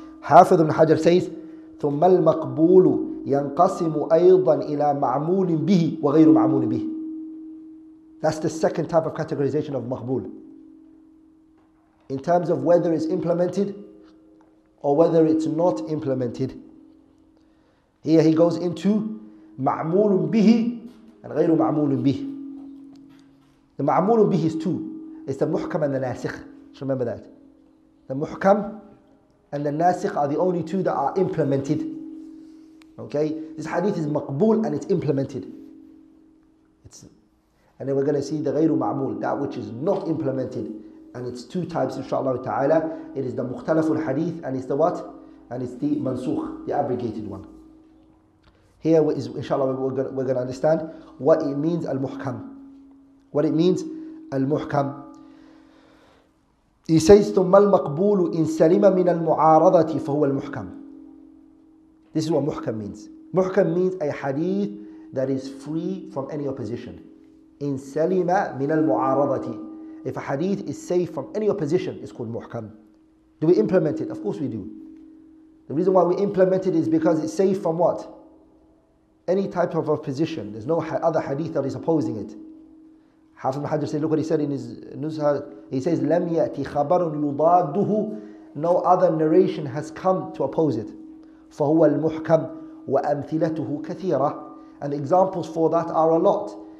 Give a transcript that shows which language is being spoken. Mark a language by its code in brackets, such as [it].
[en] Hafiz ibn Hajar says, [ar] ثم المقبول ينقسم أيضا إلى معمول به وغير معمول به. [en] That's the second type of categorization of maqbool, in terms of whether it's implemented or whether it's not implemented. Here he goes into معمول به and غير معمول به. The معمول به is two. It's the muhkam and the nasikh. Just remember that. The muhkam and the nasikh are the only two that are implemented. Okay? This hadith is maqbool and it's implemented. And then we're going to see the ghayru ma'mool, that which is not implemented. And it's two types, inshaAllah ta'ala. It is the mukhtalaful hadith and it's the what? And it's the mansukh, the abrogated one. Here is, inshaAllah, we're going to understand what it means, al-muhkam. What it means, al-muhkam. He says, [ar] ثُمَّ الْمَقْبُولُ إِنْ سَلِمَ مِنَ الْمُعَارَضَةِ فَهُوَ الْمُحْكَمُ. [en] This is what muhkam means. Muhkam means a hadith that is free from any opposition. In salima min al-mu'aradati. If a hadith is safe from any opposition, it's called muhkam. Do we implement it? Of course we do. The reason why we implement it is because it's safe from what? Any type of opposition. There's no other hadith that is opposing it. Hafiz al-Hajr said, look what he said in his Nusha. He says, [ar] لَمْ يَأْتِ خَبَرٌ يُضَادُهُ. [en] No other narration has come to oppose it. [ar] فَهُوَ الْمُحْكَمُ وَأَمْثِلَتُهُ كَثِيرًا. [en] And the examples for that are a lot.